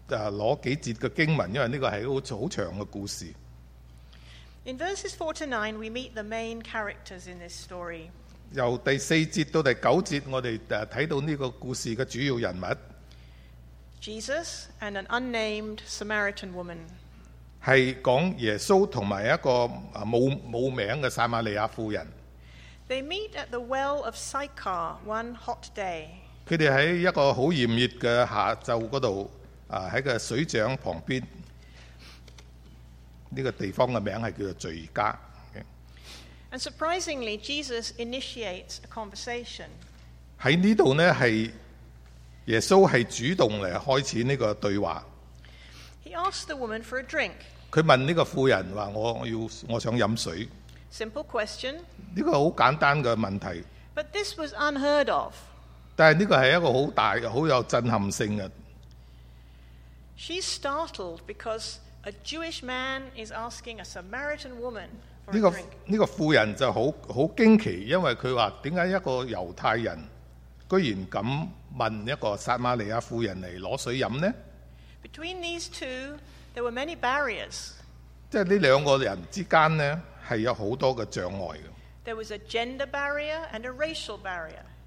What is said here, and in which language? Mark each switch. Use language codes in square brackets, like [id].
[zh] 我只是拿几节的经文, 因为这个是很长的故事。 [en] In verses 4 to 9, we meet the main characters in this story. [zh] 由第四節到第九節, 我們看到這個故事的主要人物, [en] Jesus and an unnamed Samaritan woman. [zh] 是講耶穌和一個無名的撒瑪利亞婦人。 [en] They meet at the well of Sychar one hot day. [zh] 他們在一個很炎熱的下午那裡,在水井旁邊。这个地方的名字叫做罪家。 [en] And surprisingly, Jesus initiates a conversation. [zh] 在这里呢, 耶稣是主动来开始这个对话。 [en] He asks the woman for a drink. [zh] 他问这个妇人, 说, 我想喝水。 [en] Simple question. [zh] 这个很简单的问题。 [en] But this was unheard of. [zh] 但是这个是一个很大, 很有震撼性的。 [en] She's startled because a Jewish man is asking a Samaritan woman for a drink. [zh] 这个妇人就很惊奇, 因为她说为什么一个犹太人居然敢问一个撒玛利亚妇人来拿水喝呢? [en] Between these two, there were many barriers. [zh] 即是这两个人之间呢, 是有很多的障碍的。 [en] There was a gender barrier and a racial barrier.